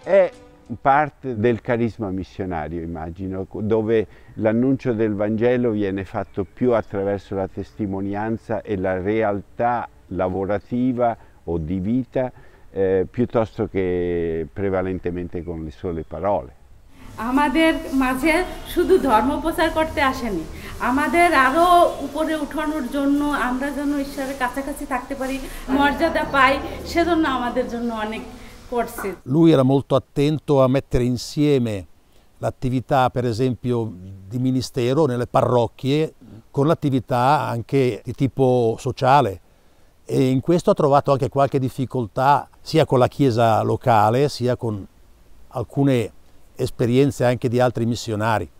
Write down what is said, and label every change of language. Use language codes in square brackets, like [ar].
[it] È parte del carisma missionario, immagino, dove l'annuncio del Vangelo viene fatto più attraverso la testimonianza e la realtà lavorativa o di vita, piuttosto che prevalentemente con le sole parole. [bn] আমাদের মাঝে শুধু ধর্ম প্রচার করতে আসেনি আমাদের আরো উপরে উঠানোর জন্য আমরা যেন ঈশ্বরের কাছাকাছি থাকতে পারি মর্যাদা পাই সেজন্য আমাদের জন্য অনেক [it] Lui era molto attento a mettere insieme l'attività, per esempio, di ministero nelle parrocchie con l'attività anche di tipo sociale. E in questo ha trovato anche qualche difficoltà sia con la chiesa locale sia con alcune esperienze anche di altri missionari.